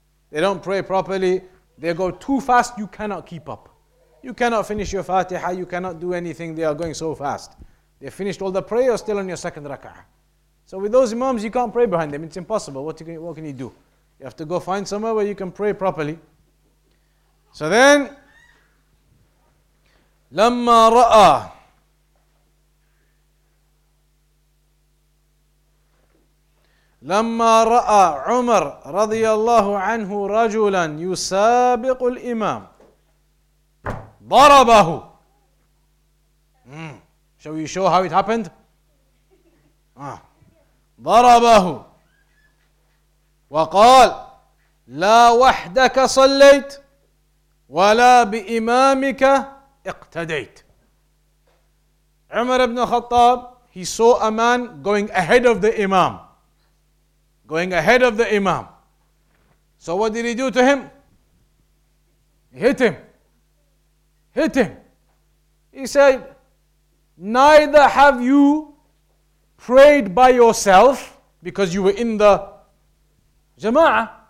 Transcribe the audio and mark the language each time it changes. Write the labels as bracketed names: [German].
[English] They don't pray properly. They go too fast. You cannot keep up. You cannot finish your fatiha. You cannot do anything. They are going so fast. They finished all the prayer, still on your second rak'ah. So with those imams, you can't pray behind them. It's impossible. What can you do? You have to go find somewhere where you can pray properly. So then, [Arabic] لَمَّا رَأَى لَمَّا رَأَى عُمَرْ رَضِيَ اللَّهُ عَنْهُ رَجُلًا يُسَابِقُ الْإِمَامِ ضربه. Shall we show how it happened? ضربه وقال لا وحدك صليت ولا بإمامك اقتديت. [English] عمر بن الخطاب, he saw a man going ahead of the imam. Going ahead of the imam. So what did he do to him? Hit him. He said, neither have you prayed by yourself because you were in the jama'ah.